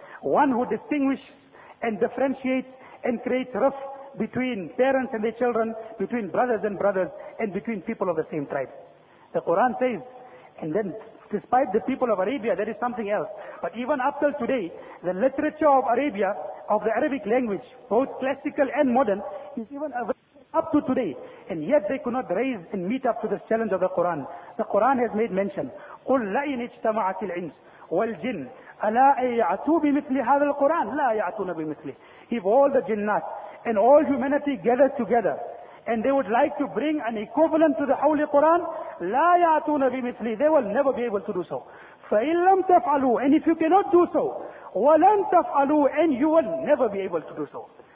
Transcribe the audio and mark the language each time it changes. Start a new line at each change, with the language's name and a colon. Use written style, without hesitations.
English: One who distinguishes and differentiates and creates rift between parents and their children, between brothers and brothers, and between people of the same tribe. The Quran says, and then despite the people of Arabia, that is something else. But even up till today, the literature of Arabia, of the Arabic language, both classical and modern, is even available up to today. And yet they could not raise and meet up to this challenge of the Quran. The Quran has made mention,
Arabic: قُلْ لَئِنِ اجْتَمَعَتِ الْإِنْسِ وَالْجِنِ أَلَا أَيَعْتُوا بِمِثْلِ هَذَا الْقُرْآنِ لَا يَعْتُونَ بِمِثْلِهِ.
English: If all the jinnat and all humanity gathered together, and they would like to bring an equivalent to the Holy Quran,
Arabic: لَا يَعْتُونَ بِمِثْلِهِ,
English: they will never be able to do so.
Arabic: فَإِنْ لَمْ تَفْعَلُوا,
English: and if you cannot do so,
Arabic: وَلَنْ تَفْعَلُوا,
English: and you will never be able to do so.